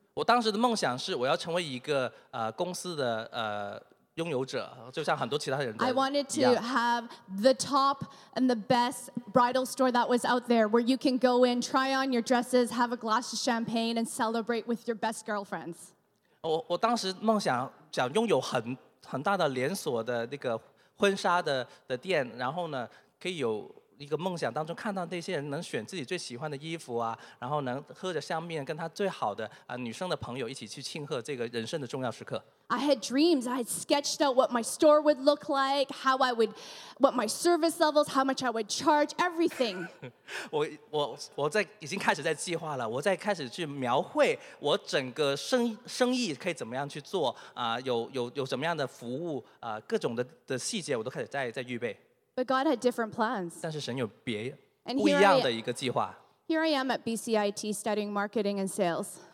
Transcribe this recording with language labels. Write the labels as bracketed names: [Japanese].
[Chinese] 我当时的梦想是我要成为一个公司的拥有者，就像很多其他人的。 [English] I wanted to have the top and the best bridal store that was out there, where you can go in, try on your dresses, have a glass of champagne, and celebrate with your best girlfriends. [Chinese] 我当时梦想想拥有很大的连锁的那个婚纱的店，然后呢，可以有。一个梦想当中看到那些人能选自己最喜欢的衣服啊，然后能喝着香槟跟他最好的女生的朋友一起去庆贺这个人生的重要时刻。 [English] I had dreams. I had sketched out what my store would look like, how I would, what my service levels, how much I would charge, everything. [Chinese] 我在已经开始在计划了，我在开始去描绘我整个生意可以怎么样去做啊，有怎么样的服务啊，各种的细节我都开始在预备。 [English] But God had different plans. [Chinese] 但是神有别不一样的一个计划。 [English] Here I am at BCIT studying marketing and sales.